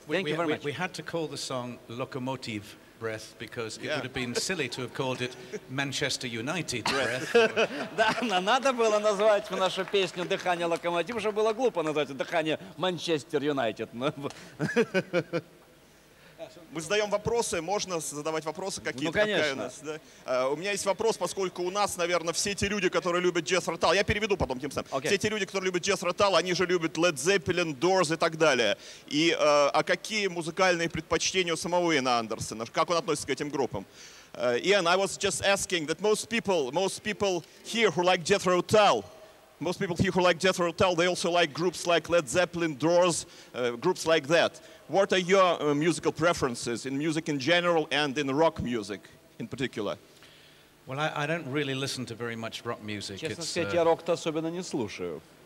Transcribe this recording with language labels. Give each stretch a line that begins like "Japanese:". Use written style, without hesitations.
English: We had to call the song Locomotive Breath, because it would have been silly to have called it Manchester United Breath.
Russian: Да, но надо было назвать нашу песню «Дыхание локомотива», чтобы было глупо назвать «Дыхание Манчестер Юнайтед». Мы задаем вопросы, можно задавать вопросы какие-то? Ну, конечно. У, нас, да? У меня есть вопрос, поскольку у нас, наверное, все те люди, которые любят Jethro Tull, я переведу потом тем самым, все те люди, которые любят Jethro Tull, они же любят Led Zeppelin, Doors и так далее. И а какие музыкальные предпочтения у самого Иэна Андерсона? Как он относится к этим группам?
English: Иэн, I was just asking that most people here who like Jethro Tull, most people here who like Jethro Tull, they also like groups like Led Zeppelin, Doors, groups like that. What are your musical preferences in music in general and in rock music in particular? Well, I don't really listen to very much rock music.
Russian: Честно сказать, я рок-то особенно не слушаю.